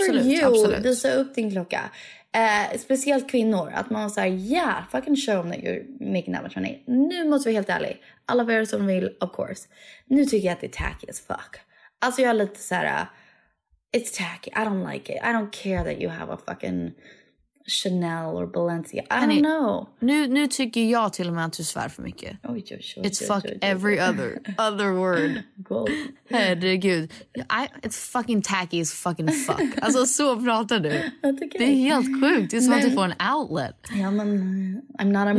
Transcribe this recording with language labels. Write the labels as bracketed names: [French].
[Swedish] absolut, [English] for you, [Swedish] absolut. Visa upp din klocka. Speciellt kvinnor, att man säger, [English] yeah, fucking show them that you're making that much money. [Swedish] Nu måste vi vara helt ärliga, alla vad som vill, [English] of course. [Swedish] Nu tycker jag att det är [English] tacky as fuck. [Swedish] Alltså jag är lite så här, [English] it's tacky, I don't like it. I don't care that you have a fucking Chanel or Balenciaga. I don't know. [Swedish] Nu tycker jag till och med att du svär för mycket. [English] Every other word. Herregud. It's fucking tacky as fucking fuck. [Swedish] Alltså så pratar du. [English] Okay. [Swedish] Det är helt sjukt. Det är som att du får en outlet. Ja, men [English] I'm not a mom.